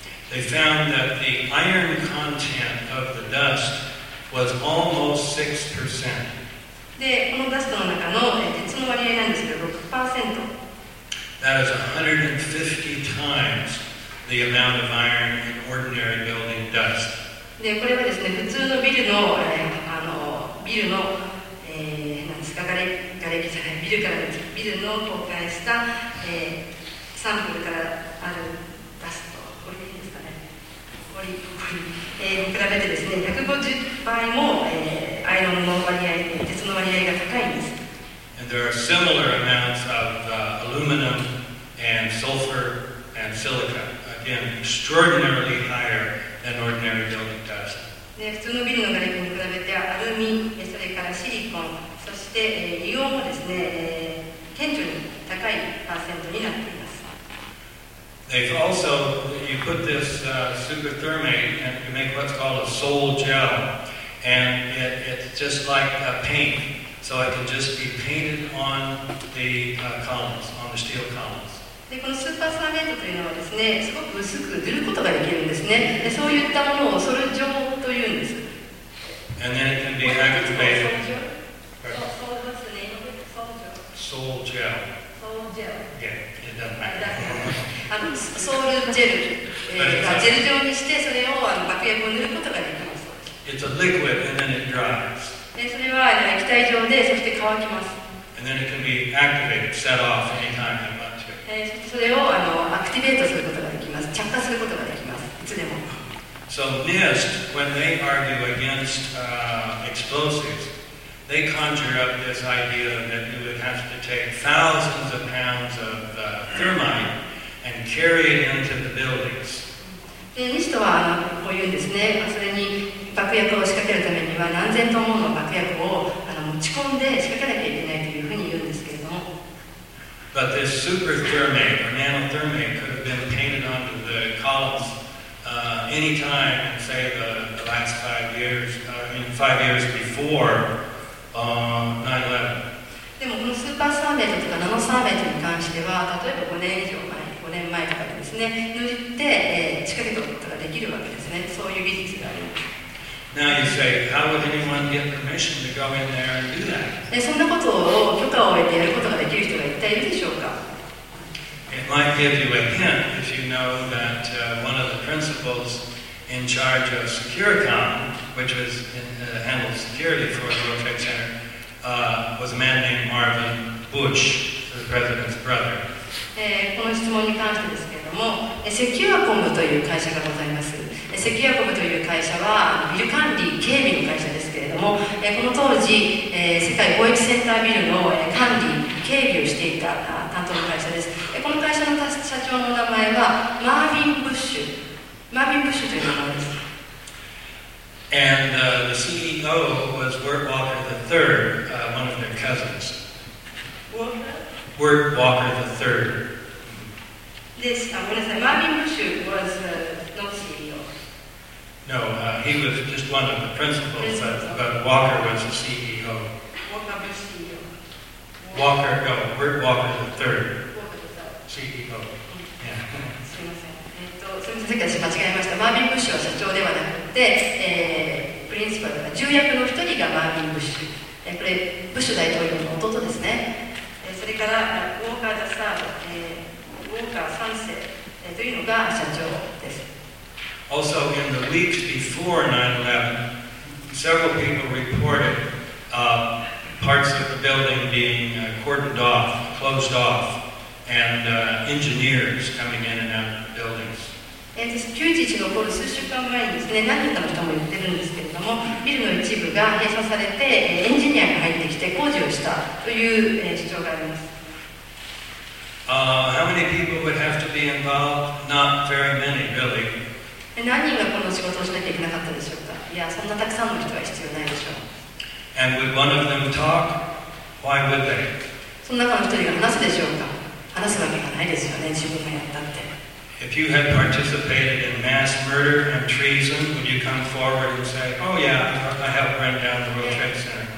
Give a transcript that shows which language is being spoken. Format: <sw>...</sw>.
<en>They found that the iron content of the dust was almost 6%.</en> <ja>で、このダストの中の鉄の割合なんですけど、6%。</ja> <en>That is 150 times the amount of iron in ordinary building dust.</en> <ja>でこれはですね、普通のビルの、ビルの、なんですか、がれきじゃない、ビルからです。ビルの公開した、サンプルからあるダスト、これでいいですかね、これに比べてですね、150倍も、アイロンの割合、鉄の割合が高いんです。</ja> <en>And there are similar amounts of aluminum and sulfur and silica. Again, extraordinarily higher than ordinary building.</en> <ja>で普通のビルの瓦礫に比べてはアルミ、それからシリコン、そして硫黄もですね、顕著に高いパーセントになっています。</ja> <en>They've also, you put this superthermate and you make what's called a sole gel, and it's just like a paint, so it can just be painted on the columns, on the steel columns.</en> <ja>でこのスーパーサーメントというのはですね、すごく薄く塗ることができるんですね。でそういったものをソル状というんです。</ja> <en>And then it can be activated.</en> <ja>ソル状。ソルジェル。ソルジェル。</ja> <en>Yeah, it doesn't matter.</en> <ja>あのソルジェル、ジェル状にしてそれを爆薬を塗ることができます。</ja> <en>It's a liquid and then it dries.</en> <ja>でそれは液体状でそして乾きます。</ja> <en>And then it can be activated, set off anytime you want.</en> <ja>それをアクティベートすることができます。着火することができます。いつでも。</ja> <en>So NIST, when they argue against explosives, they conjure up this idea that you would have to take thousands of pounds of thermite and carry it into the buildings.</en> <ja>NIST はこういうんですね。それに爆薬を仕掛けるためには何千トンもの爆薬を持ち込んで仕掛けなきゃいけないというふうに言うんですけれども。</ja> <en>But this superthermate or nanothermate could have been painted onto the columns any time in, say, the last 5 years, in 5 years before 9/11.</en> <ja>でもこのスーパーサーメントとかナノサーメントに関しては、例えば5年前とかでですね、塗って仕掛けることができるわけですね。そういう技術があります。</ja> <en>Now you say, how would anyone get permission to go in there and do that?</en> <ja>そんなことを許可を得てやることができる人が一体いるでしょうか?</ja> <en>It might give you a hint if you know that one of the principals in charge of Securicom, which was handled security for the World Trade Center, was a man named Marvin Bush, the president's brother.</en> <ja>この質問に関してですけれども、セキュアコムという会社がございます。セキュアコムという会社はビル管理、警備の会社ですけれども、この当時、世界貿易センタービルの管理、警備をしていた担当の会社です。この会社の社長の名前はマービン・ブッシュ。マービン・ブッシュという名前です。</ja> <en>And the CEO was Wirt Walker III, one of their cousins. Wirt Walker III. This, I'm going to say, Marvin Bush was not CEO. No, he was just one of the principals, but Walker was the CEO. Walker was CEO. Wirt Walker III. Walker III. CEO. Yeah.</en> <ja>すみません。すみません、さっき間違えました。マービン・ブッシュは社長ではなくて、プリンシパルが重役の一人がマービン・ブッシュ。これ、ブッシュ大統領の弟ですね。それからウォーカー・ザ・サード、ウォーカー3世、というのが社長です。</ja> <en>Also, in the weeks before 9/11, several people reported parts of the building being cordoned off, closed off, and engineers coming in and out of the buildings.</en> <ja>911の頃、数週間前にですね、何人かの人も言ってるんですけれども、ビルの一部が閉鎖されて、エンジニアが入ってきて工事をしたという主張があります。</ja> <en>How many people would have to be involved? Not very many, really.</en> <ja>何人がこの仕事をしなきゃいけなかったでしょうか？いや、そんなたくさんの人は必要ないでしょう。</ja> <en>And would one of them talk? Why would they?</en> <ja>その中の一人が話すでしょうか？話すわけがないですよね、自分がやったって。</ja> <en>If you had participated in mass murder and treason, would you come forward and say, oh yeah, I helped run down the World Trade Center?</en>